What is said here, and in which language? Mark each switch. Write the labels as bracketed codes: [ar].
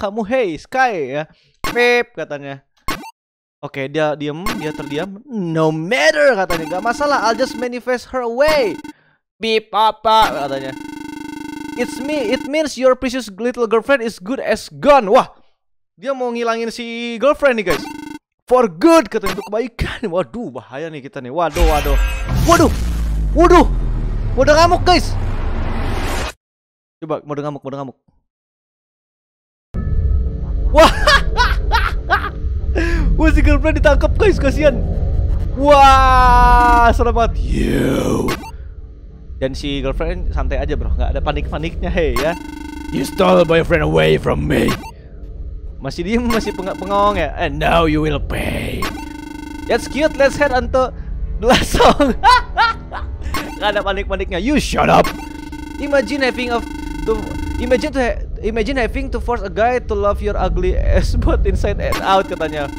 [id] Kamu, hey, Sky ya. Pip, katanya. Oke, dia diam, dia terdiam. [en] No matter, katanya. [id] Gak masalah, [en] I'll just manifest her away. [id] Pip, apa, katanya. [en] It's me, it means your precious little girlfriend is good as gone. [id] Wah, dia mau ngilangin si girlfriend nih, guys. [en] For good, [id] katanya, untuk kebaikan. Waduh, bahaya nih kita nih. Waduh. Mode ngamuk, guys. Coba, mode ngamuk. Wah. Wah, si girlfriend ditangkap, guys, kasihan. Wah, serem banget. You. Dan si girlfriend santai aja, bro. Gak ada panik-paniknya, hey, ya. [en] You stole boyfriend away from me. [id] Masih diem, masih pengong ya. [en] And now you will pay. That's cute, let's head on to the last song. [id] Gak ada panik-paniknya. [en] You shut up. Imagine having to force a guy to love your ugly ass both inside and out, katanya.